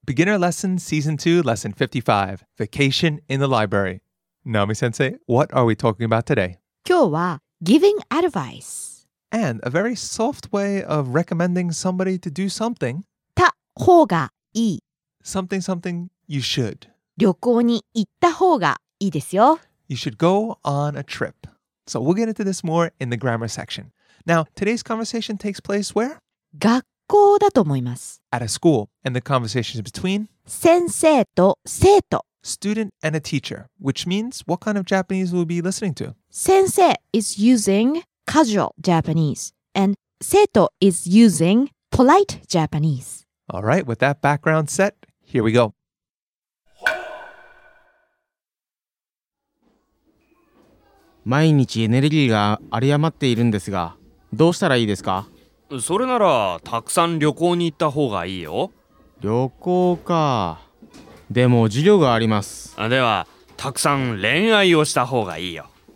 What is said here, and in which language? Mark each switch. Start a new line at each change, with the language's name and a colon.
English: Beginner Lesson Season 2 Lesson 55 Vacation in the LibraryNaomi sensei, what are we talking about today?
Japanese: 今日は
English: giving advice. And a very soft way of recommending somebody to do something.
Japanese: た方がいい。
English: Something, something you should.
Japanese: 旅行に行った方がいいですよ。
English: You should go on a trip. So we'll get into this more in the grammar section. Now, today's conversation takes place where?
Japanese: 学校だと思います。
English: At a school. And the conversation is between?
Japanese: 先生と生徒。
English: Student and a teacher, which means what kind of Japanese will we be listening to? 先生 is using casual Japanese, and 生徒 is using polite Japanese. All right, with that background set, here we go.
Japanese: 毎日エネルギーが有り余っているんですが、どうしたらいいですか？それなら、たくさん旅行に行った方がいいよ。旅行か。でも授業があります。ではたくさん恋愛をした方がいいよ。